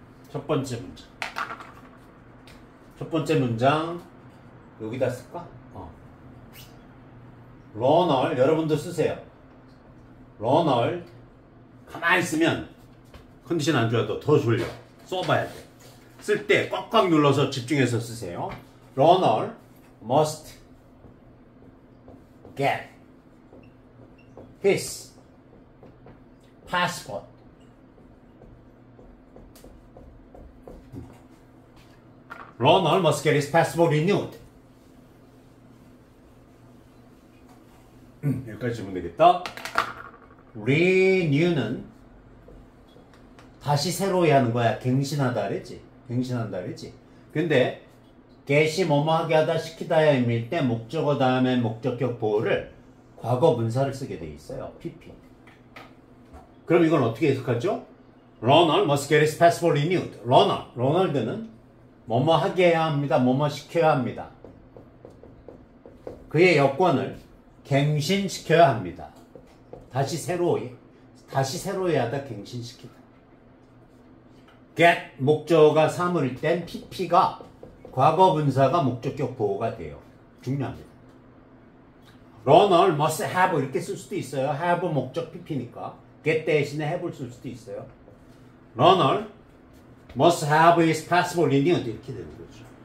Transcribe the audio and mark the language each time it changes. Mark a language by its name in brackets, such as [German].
[Korean] 첫 번째 문장. 첫 번째 문장 여기다 쓸까? 러널, 여러분도 쓰세요. 러널, 가만히 있으면 컨디션 안 좋아도 더 졸려. 써봐야 돼. 쓸 때 꽉꽉 눌러서 집중해서 쓰세요. [English] 러널 must get his passport. 러널 must get his passport renewed. [Korean] 여기까지 주면 되겠다. renew는 다시 새로이 하는 거야. 갱신하다 그랬지. 갱신한다 그랬지. 근데 get이 뭐뭐하게 하다 시키다야 의미일 때 목적어 다음에 목적격 보호를 과거 문사를 쓰게 돼 있어요. PP. 그럼 이건 어떻게 해석하죠? [English] Ronald must get his passport renewed. Ronald. [Korean] Ronald는 뭐뭐하게 해야 합니다. 뭐뭐 시켜야 합니다. 그의 여권을 갱신시켜야 합니다. 다시 새로이 하다 갱신시키다. get 목적어가 사물일 땐 pp가 과거 분사가 목적격 보호가 돼요. 중요합니다. [English] Ronald must have [Korean] 이렇게 쓸 수도 있어요. have 목적 pp니까 get 대신에 have을 쓸 수도 있어요. [English] Ronald must have his passport renewed [Korean] 이렇게 되는 거죠.